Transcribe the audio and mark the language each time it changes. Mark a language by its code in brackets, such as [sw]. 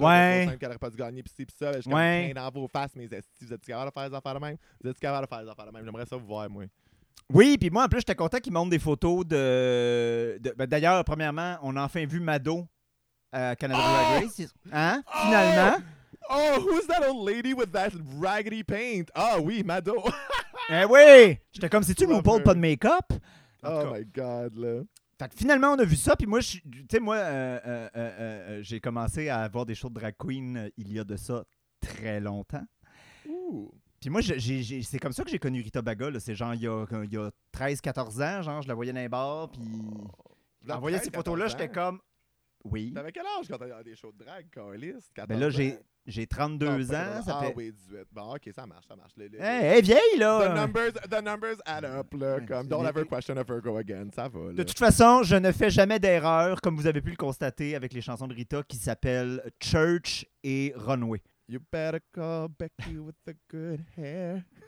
[fr] ouais. C'est qu'elle n'aurait pas dû gagner, puis ci, puis ça. Je suis plein dans vos faces, mais vous êtes-tu capable de faire les affaires de même? Vous êtes-tu capable de faire les affaires de même? J'aimerais ça vous voir, moi. Oui, puis moi, en plus, j'étais content qu'ils montrent des photos de... Ben, d'ailleurs, premièrement, on a enfin vu Mado à Canada Drag Race. Hein? Oh! Finalement. [en] Oh, who's that old lady with that raggedy paint? [fr] Ah oui, Mado. Eh oui! J'étais comme, c'est-tu RuPaul, pas de make-up? [en] Oh my God, là. [fr] Fait que finalement, on a vu ça, puis moi, tu sais, moi, j'ai commencé à avoir des shows de drag queen il y a de ça très longtemps. Ouh! Puis moi, c'est comme ça que j'ai connu Rita Baga. Là. C'est genre il y a 13-14 ans, genre je la voyais dans les bars, puis je la voyais ces photos-là, j'étais comme... Oui. T'avais quel âge quand t'as des shows de drag, Carlist? Ben là, j'ai 32 ans. Ça fait... Ah oui, 18. Bon, OK, ça marche. Hey, vieille, là! [en] The numbers add up, là. Comme, don't ever question a Virgo again. [fr] Ça va, là. De toute façon, je ne fais jamais d'erreur, comme vous avez pu le constater avec les chansons de Rita qui s'appellent Church et Runway. [en] You better call Becky with the good hair.